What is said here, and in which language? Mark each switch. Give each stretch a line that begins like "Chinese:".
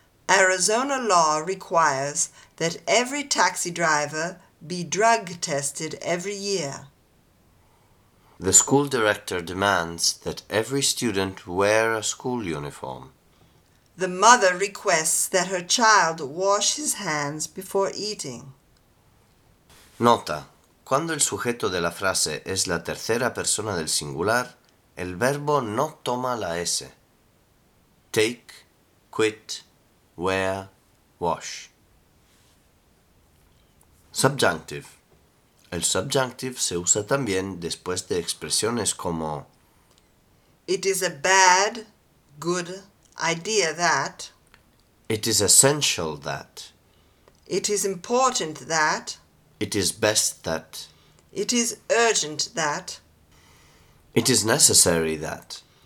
English: Arizona law requires that every taxi driver be drug tested every year. The school director demands that every student wear a school uniform. The mother requests that her child wash his hands before eating.
Spanish: Nota: cuando el sujeto de la frase es la tercera persona del singular, el verbo no toma la S.
English: Take, quit, wear, wash.
Spanish: Subjunctive. El subjunctive se usa también después de expresiones como
English: it is a bad, good idea that, It is essential that. It is important that. It is best that. It is urgent that. It is necessary that.